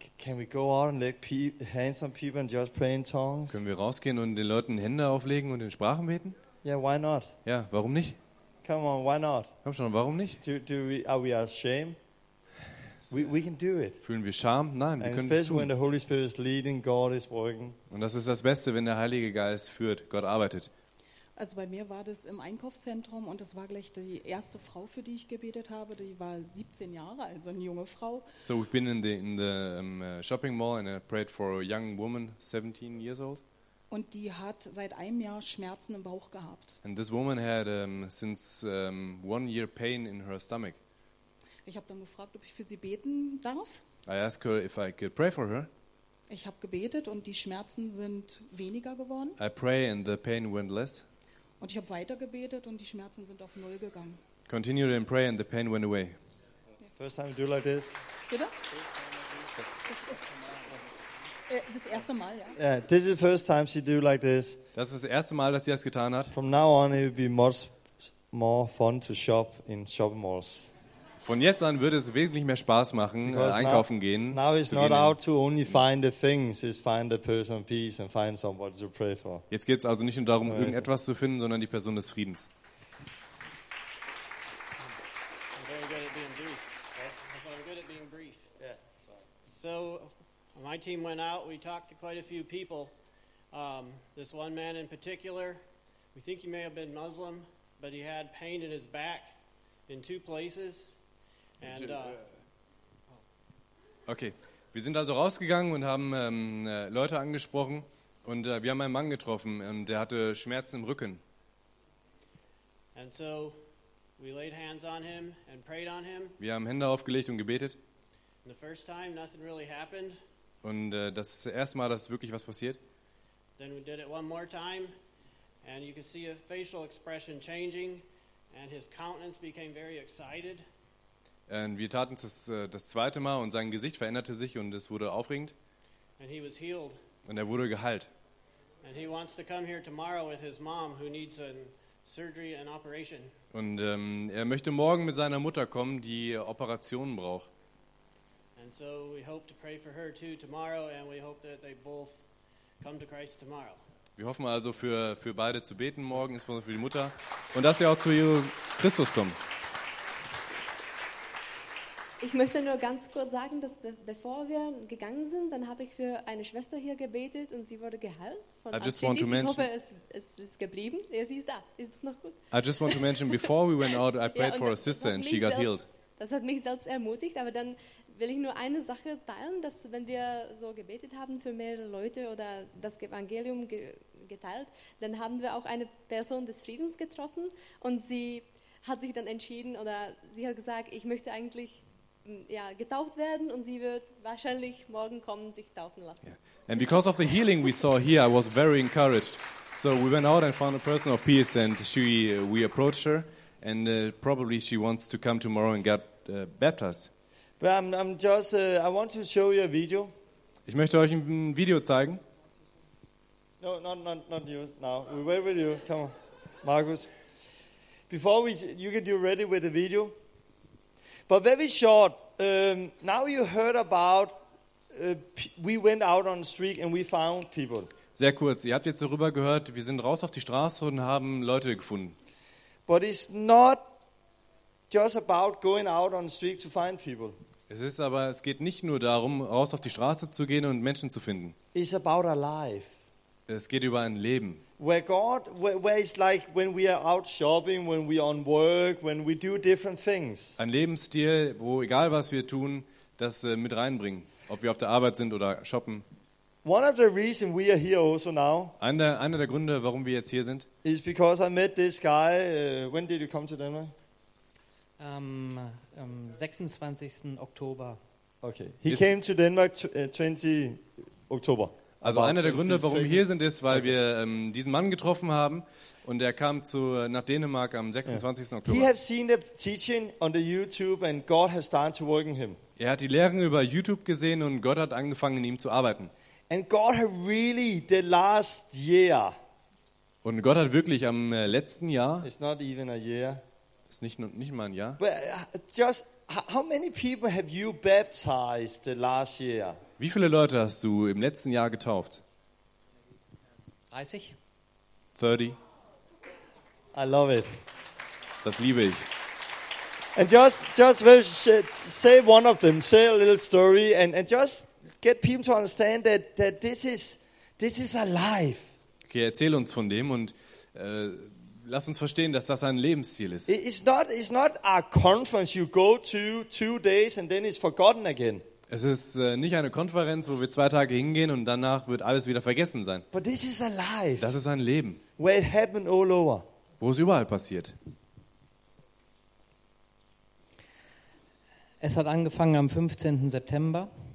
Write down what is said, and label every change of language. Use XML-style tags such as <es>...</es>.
<en>Can we go out and lay hands on people and just pray in tongues?</en> <de>Können wir rausgehen und den Leuten Hände auflegen und in Sprachen beten?</de> <en>Yeah, why not?</en> <de>Ja, warum nicht?</de> <en>Come on, why not?</en> <de>Komm schon, warum nicht?</de> <en>Are we ashamed? We can do it.</en> <de>Fühlen wir Scham? Nein, wir können es tun.</de> <en>Especially when the Holy Spirit is leading, God is working.</en> <de>Und das ist das Beste, wenn der Heilige Geist führt, Gott arbeitet. Also bei mir war das im Einkaufszentrum und das war gleich die erste Frau, für die ich gebetet habe. Die war 17 Jahre, also eine junge Frau.</de> <en>So we've been in the shopping mall and I prayed for a young woman, 17 years old.</en> <de>Und die hat seit einem Jahr Schmerzen im Bauch gehabt.</de> <en>And this woman had since one year pain in her stomach.</en> <de>Ich habe dann gefragt, ob ich für sie beten darf.</de> <en>I asked her if I could pray for her.</en> <de>Ich habe gebetet und die Schmerzen sind weniger geworden.</de> <en>I pray and the pain went less.</en> <de>Und ich habe weiter gebetet und die Schmerzen sind auf null gegangen.</de> <en>Continued in prayer and the pain went away. First time you do like this.</en> <de>Bitte? Das erste Mal, ja.</de> <en>Yeah, this is the first time she do like this.</en> <de>Das ist das erste Mal, dass sie das getan hat.</de> <en>From now on it will be more fun to shop in shopping malls.</en> <de>Von jetzt an würde es wesentlich mehr Spaß machen, einkaufen gehen.</de> <en>Now it's not out to only find the things, it's find the person of peace and find somebody to pray for.</en> <de>Jetzt geht es also nicht nur darum, irgendetwas zu finden, sondern die Person des Friedens.</de> <en>I'm very good at being brief. Okay? I'm good at being brief. Yeah. So my team went out, we talked to quite a few people. This one man in particular, we think he may have been Muslim, but he had pain in his back in two places. And,</en> <de>okay, wir sind also rausgegangen und haben Leute angesprochen Und wir haben einen Mann getroffen und der hatte Schmerzen im Rücken.</de> <en>And so we laid hands on him and prayed on him.</en> <de>Wir haben Hände aufgelegt und gebetet.</de> <en>And the first time nothing really happened.</en> <de>Und das ist das erste Mal, dass wirklich was passiert.</de> <en>Then we did it one more time and you could see a facial expression changing and his countenance became very excited.</en> <de>Und wir taten es das zweite Mal und sein Gesicht veränderte sich und es wurde aufregend.</de> <en>And he was healed.</en> <de>Und er wurde geheilt.</de> <en>And he wants to come here tomorrow with his mom who needs a surgery and operation.</en> <de>Und er möchte morgen mit seiner Mutter kommen, die Operationen braucht.</de> <en>And so we hope to pray for her too tomorrow and we hope that they both come to Christ tomorrow.</en> <de>Wir hoffen also für beide zu beten morgen, insbesondere für die Mutter und dass sie auch zu Christus kommen. Ich möchte nur ganz kurz sagen, dass bevor wir gegangen sind, dann habe ich für eine Schwester hier gebetet und sie wurde geheilt.</de> <en>I just want to mention.</en> <de>Ich hoffe, es ist geblieben. Ja, sie ist da. Ist es noch gut?</de> <en>I just want to mention, before we went out, I prayed for a sister and she got healed.</en> <de>Das hat mich selbst ermutigt, aber dann will ich nur eine Sache teilen, dass wenn wir so gebetet haben für mehrere Leute oder das Evangelium geteilt, dann haben wir auch eine Person des Friedens getroffen und sie hat sich dann entschieden oder sie hat gesagt, ich möchte eigentlich getauft werden und sie wird wahrscheinlich morgen kommen, sich taufen lassen.</de> <en>Yeah. And because of the healing we saw here, I was very encouraged. So we went out and found a person of peace and we approached her and probably she wants to come tomorrow and get baptized. But I want to show you a video.</en> <de>Ich möchte euch ein Video zeigen.</de> <en>No, not you now. We wait with you. Come on, Markus. Before you get you ready with the video. But very short, now you heard about, we went out on the street and we found people.</en> <de>Sehr kurz, ihr habt jetzt darüber gehört, wir sind raus auf die Straße und haben Leute gefunden.</de> <en>But it's not just about going out on the street to find people.</en> <de>Es geht nicht nur darum, raus auf die Straße zu gehen und Menschen zu finden.</de> <en>It's about a life.</en> <de>Es geht über ein Leben.</de> <en>Where it's like when we are out shopping, when we are on work, when we do different things.</en> <de>Ein Lebensstil, wo egal was wir tun, das mit reinbringen, ob wir auf der Arbeit sind oder shoppen.</de> <en>One of the reasons we are here also now.</en> <de>Einer der Gründe, warum wir jetzt hier sind.</de> <en>Is because I met this guy. When did you come to Denver?</en> <de>26. Oktober.</de> <en>Okay. He came to Denmark 20 Oktober.</en> <de>Also einer der Gründe, warum wir hier sind, ist, weil wir diesen Mann getroffen haben und er kam nach Dänemark am 26. Oktober.</de> <en>He has seen the teaching on the YouTube and God has started to work in him.</en> <de>Er hat die Lehren über YouTube gesehen und Gott hat angefangen in ihm zu arbeiten.</de> <en>And God has really the last year.</en> <de>Und Gott hat wirklich am letzten Jahr.</de> <en>It's not even a year.</en> <de>Ist nicht mal ein Jahr.</de> <en>But just how many people have you baptized the last year?</en> <de>Wie viele Leute hast du im letzten Jahr getauft? 30. 30.</de> <en>I love it.</en> <de>Das liebe ich.</de> <en>And just say one of them, say a little story and just get people to understand that this is alive.</en> <de>Okay, erzähl uns von dem und lass uns verstehen, dass das ein Lebensstil ist.</de> <en>It's not a conference you go to 2 days and then it's forgotten again.</en> <de>Es ist nicht eine Konferenz, wo wir 2 Tage hingehen und danach wird alles wieder vergessen sein.</de> <en>But this is a life,</en> <de>das ist ein Leben,</de> <en>where it happened all over.</en> <de>Wo es überall passiert. Es hat angefangen am 15. September.</de>